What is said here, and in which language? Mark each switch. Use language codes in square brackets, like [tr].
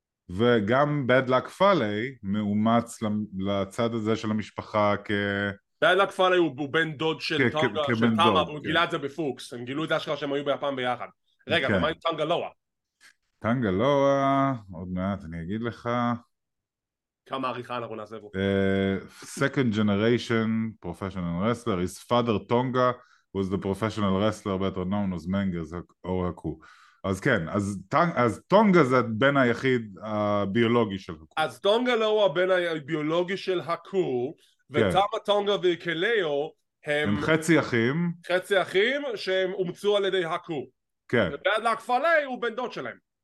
[he] וגם בד לק פאלי מאומץ לצד הזה של המשפחה דיילה כפאלי הוא בן דוד של טונגה, של טאמה, והוא גילה את זה בפוקס. הם גילו את האשכרה שהם היו ביפן ביחד. רגע, ומה עם טונגלואה? טונגלואה, עוד מעט אני אגיד לך. כמה עריכה אנחנו נעשה בו. [en] Second generation professional wrestler, his father Tonga was the professional wrestler better known as Mangas or Haku. [he] אז כן, אז טונגה זה הבן היחיד הביולוגי של הקו. אז טונגלואה הוא הבן הביולוגי של הקו, ותמה טונגה וקלאו הם חצי אחים. חצי אחים שהם אומצו על ידי הקו. כן. ובעד להכפלי הוא בן דוד שלהם.